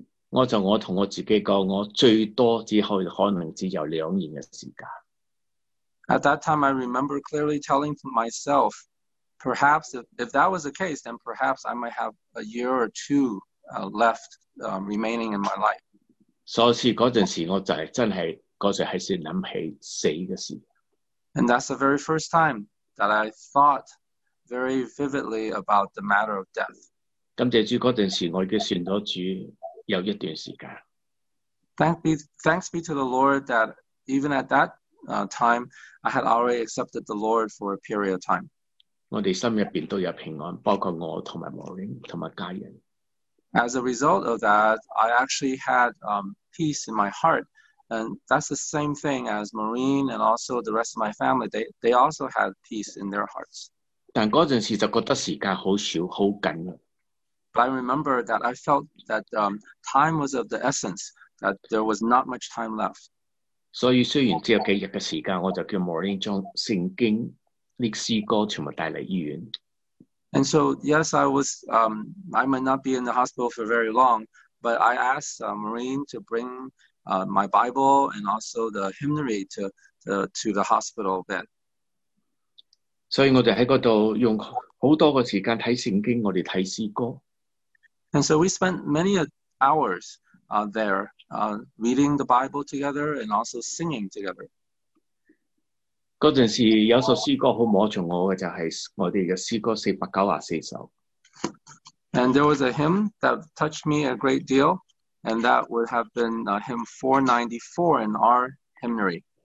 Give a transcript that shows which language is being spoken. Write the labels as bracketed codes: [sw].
[yue] 我就我同我自己讲，我最多只可能只有两年嘅时间。 [en] At that time, I remember clearly telling myself, perhaps if that was the case, then perhaps I might have a year or two left remaining in my life. [yue] 所以嗰阵时我就系真系嗰阵系先谂起死嘅事。 [en] And that's the very first time that I thought very vividly about the matter of death. [yue] 感谢主，嗰阵时我已经信咗主有一段时间。 [en] Thanks be to the Lord that even at that time, I had already accepted the Lord for a period of time. [yue] 我哋心入边都有平安，包括我同埋 Maureen 同埋家人。 [en] As a result of that, I actually had peace in my heart. And that's the same thing as Maureen and also the rest of my family. They also had peace in their hearts. [yue] 但那时就觉得时间好少，好紧。 [en] But I remember that I felt that time was of the essence, that there was not much time left. [yue] 所以虽然只有几日的时间，我就叫 Maureen 将圣经这诗歌全部带来医院。 [en] And so, yes, I might not be in the hospital for very long, but I asked Maureen to bring my Bible and also the hymnary to the hospital bed. [yue] 所以我们在那里用很多的时间看圣经，我们看诗歌。 [en] And so we spent many hours there reading the Bible together and also singing together. [yue] 嗰阵时有首诗歌好摸着我嘅，就系我哋嘅诗歌494首。 [en] And there was a hymn that touched me a great deal, and that would have been hymn 494 in our hymnary.